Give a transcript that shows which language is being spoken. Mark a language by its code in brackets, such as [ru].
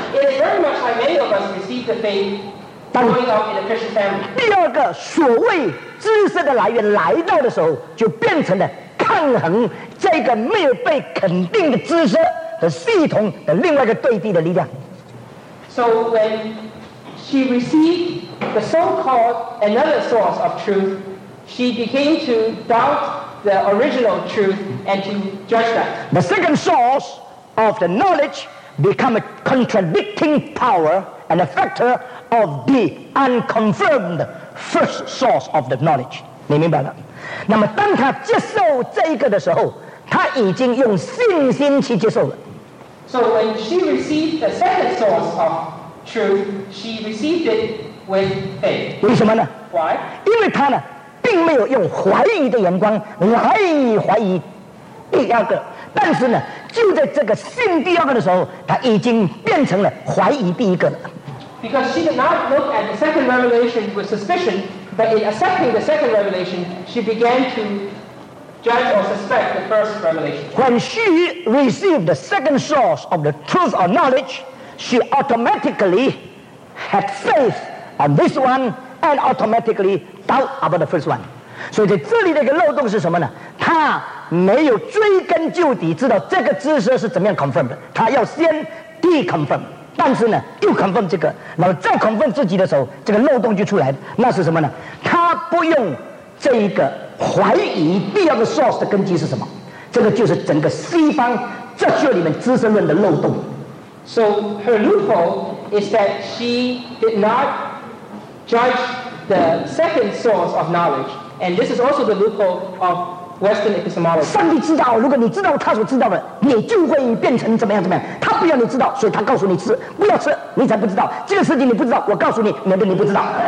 [en] It is very much like many of us receive the faith growing up in a Christian family. [zh] 第二个所谓知识的来源来到的时候，就变成了抗衡这个没有被肯定的知识的系统的另外一个对立的力量。 [en] So when she received the so-called another source of truth, she began to doubt the original truth and to judge that. The second source. Of the knowledge become a contradicting power and a factor of the unconfirmed first source of the knowledge. [zh] 你明白了？那么当他接受这个的时候，他已经用信心去接受了。 [en] So when she received the second source of truth, she received it with faith. [zh] 为什么呢 [en] ？Why? [zh] 因为他呢，并没有用怀疑的眼光来怀疑第二个。但是呢，就在这个信第二个的时候，他已经变成了怀疑第一个了。 [en] Because she did not look at the second revelation with suspicion, but in accepting the second revelation, she began to judge or suspect the first revelation. When she received the second source of the truth or knowledge, she automatically had faith on this one and automatically doubt about the first one. [zh] 所以在这里的一个漏洞是什么呢？他没有追根究底，知道这个知识是怎么样 confirm 的。他要先 deconfirm， 但是呢，又 confirm 这个，然后再 confirm 自己的时候，这个漏洞就出来了。那是什么呢？他不用这一个怀疑第二个 source 的根基是什么？这个就是整个西方哲学里面知识论的漏洞。 [en] So her loophole is that she did not judge the second source of knowledge, and this is also the loophole of Western epistemology. [zh] 上帝知道，如果你知道他所知道的，你就会变成怎么样怎么样。他不要你知道，所以他告诉你吃，不要吃，你才不知道。这个事情你不知道，我告诉你，免得你不知道。